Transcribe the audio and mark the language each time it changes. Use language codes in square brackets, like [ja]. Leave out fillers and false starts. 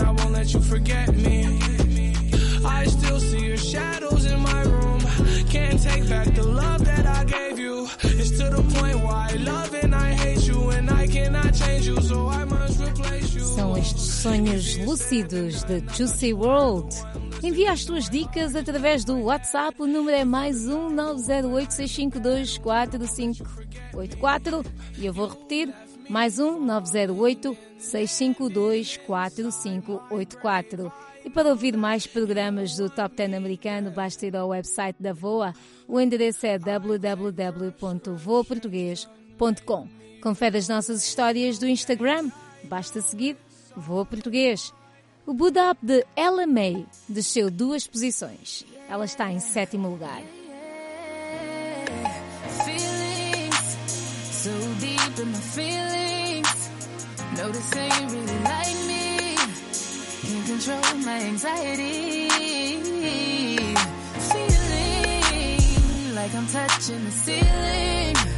[en] I won't let you forget me. I still see your shadows in my room, can't take back the love that I gave you. It's to the point why I love and I hate you, and I cannot change you, so I must replace you. [pt] São estes sonhos lúcidos de Juicy WRLD. Envia as tuas dicas através do WhatsApp, o número é mais 1-908-652-4584, e eu vou repetir, mais 1-908-652-4584. E para ouvir mais programas do Top 10 americano, basta ir ao website da Voa. O endereço é www.voaportugues.com. Confere as nossas histórias do Instagram. Basta seguir Voa Português. O Boot Up de Ella May desceu 2 posições. Ela está em 7º lugar. [en] Feelings, so deep in my feelings. Notice they really like me. Control my anxiety. Feeling like I'm touching the ceiling.